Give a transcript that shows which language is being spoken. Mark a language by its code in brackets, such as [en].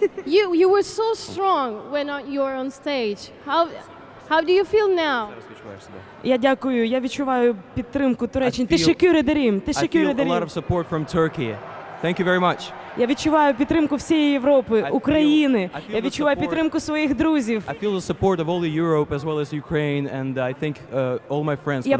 [en] you were so strong when you were on stage. How do you feel now? [uk] Я дякую. Я відчуваю підтримку Туреччини. [tr] Ти шикюри дарим. Ти шикюри дарим. [en] I feel a lot of support from Turkey. Thank you very much. [uk] Я відчуваю підтримку всієї Європи, України. Я відчуваю підтримку своїх друзів. [en] I feel the support of all the Europe as well as Ukraine, and I thank all my friends for that.